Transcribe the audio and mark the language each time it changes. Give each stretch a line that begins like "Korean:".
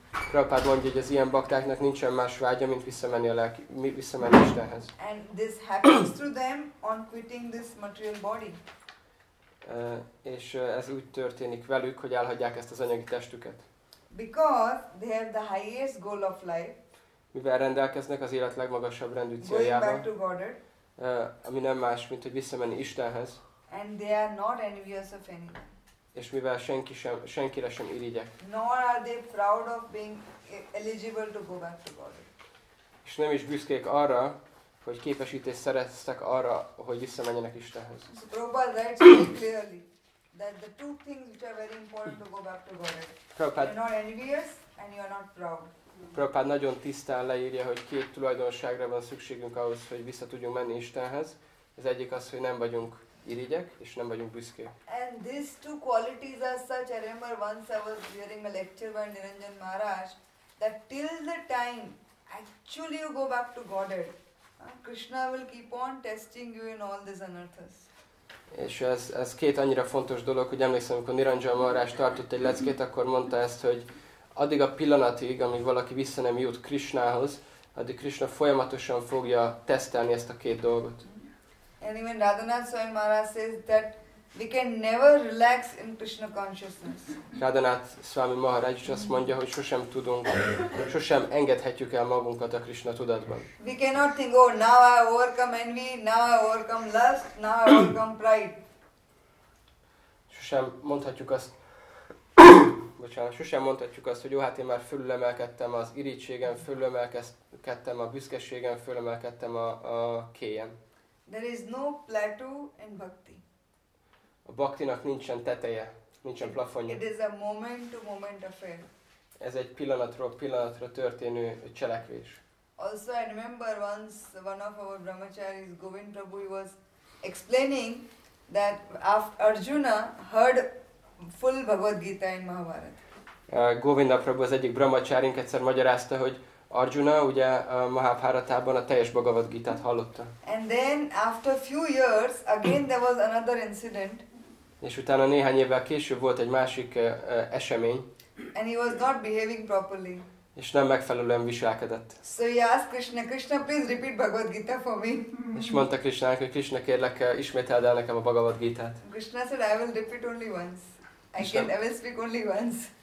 Hungarian: Prabhupada mondja, hogy az ilyen baktáknak nincsen más vágya, mint visszamenni a lelki, visszamenni Istenhez.
English: And this happens to them on quitting this material body.
Hungarian: És ez úgy történik velük, hogy elhagyják ezt az anyagi testüket.
English: Because they have the highest goal of life.
Hungarian: Mivel rendelkeznek az élet legmagasabb rendű céljával.
English: Going back to God.
Hungarian: Ami nem más, mint hogy visszamenni Istenhez.
English: And they are not envious of anyone.
Hungarian: És mivel senkire sem irigyek.
English: Nor are they proud of being eligible to go back to God.
Hungarian: És nem is büszkék arra, hogy képesítést szereztek arra, hogy visszamenjenek Istenhez.
English: So Prabhupada writes very clearly that the two things which are very important to go back to God.
Hungarian: Prabhupada,
English: you're not envious and you're not proud.
Hungarian: Prabhupada nagyon tisztán leírja, hogy két tulajdonságra van szükségünk ahhoz, hogy vissza tudjunk menni Istenhez. Az egyik az, hogy nem vagyunk irigyek, és nem vagyunk büszkék.
English: And these two qualities are such, I remember once I was hearing a lecture by Niranjan Maharaj, that till the time actually you go back to Godhead, Krishna will keep on testing you in all these anarthas.
Hungarian: És ez két annyira fontos dolog, hogy emlékszem, amikor Niranjan Maharaj tartott egy leckét, akkor mondta ezt, hogy addig a pillanatig, amíg valaki vissza nem jut Krishnához, addig Krishna folyamatosan fogja tesztelni ezt a két dolgot.
English: And even Radhanath Swami Maharaj says that we can never relax in Krishna consciousness.
Hungarian: Radhanath Swami Maharaj is azt mondja, hogy sosem tudunk, sosem engedhetjük el magunkat a Krishna tudatban.
English: We cannot think, oh, now I overcome envy, now I overcome lust, now I overcome pride.
Hungarian: Sosem mondhatjuk azt, bocsánat, sosem mondhatjuk azt, hogy jó, hát én már fölülemelkedtem az irítségem, fölülemelkedtem a büszkeségem, fölülemelkedtem a kéjem.
English: There is no plateau in bhakti.
Hungarian: A bhaktinak nincsen teteje, nincsen plafonja.
English: It is a moment to moment affair.
Hungarian: Ez egy pillanatról pillanatra történő cselekvés.
English: Also I remember once one of our brahmacharis, Govind Prabhu, was explaining that after Arjuna heard full Bhagavad Gita in Mahabharata.
Hungarian: Govinda Prabhu az egyik brahmacharink egyszer magyarázta, hogy Arjuna ugye a Mahabharatában a teljes Bhagavad Gita-t hallotta.
English: And then after a few years again there was another incident.
Hungarian: És utána néhány évvel később volt egy másik esemény.
English: And he was not behaving properly.
Hungarian: És nem megfelelően viselkedett.
English: So he asked Krishna, Krishna please repeat Bhagavad Gita for me.
Hungarian: És mondta Krishna, hogy Krishna kérlek ismételd el nekem a Bhagavad Gita-t.
English: Krishna said I will repeat only once. I will speak only once.